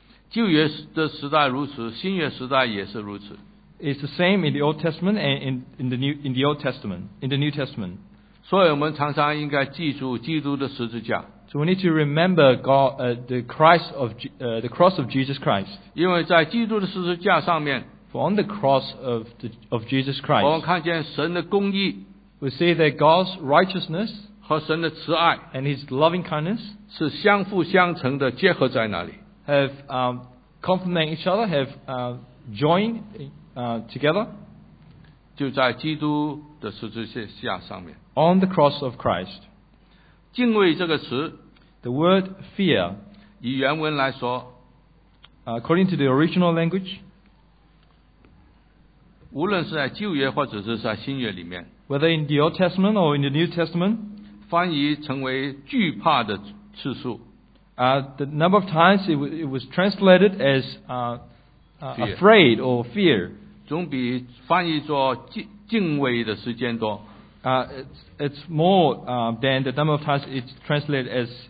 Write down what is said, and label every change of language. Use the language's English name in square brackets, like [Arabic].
[Chinese] 旧约的时代如此, 新约时代也是如此。 [English] It's the same in the Old Testament and in the New Testament. [Chinese] 所以我们常常应该记住基督的十字架。 [English] So we need to remember God, the cross of Jesus Christ. [Chinese] 因为在基督的十字架上面, [English] For on the cross of Jesus Christ, [Chinese] 我们看见神的公义, [English] we see that God's righteousness [Chinese] 和神的慈爱, [English] and His loving kindness [Chinese] 是相辅相成的结合在哪里? [English] Have complement each other, have joined together. [Chinese] 就在基督的十字架上面, [English] on the cross of Christ. [Chinese] 敬畏这个词 [English] the word fear, [Chinese] 以原文来说 [English] according to the original language, [Chinese] 无论是在旧约或者是在新约里面 [English] whether in the Old Testament or in the New Testament, [Chinese] 翻译成为惧怕的次数 [English] the number of times it was translated as afraid or fear, [Chinese] 总比翻译做敬畏的时间多 [English] It's more than the number of times it's translated as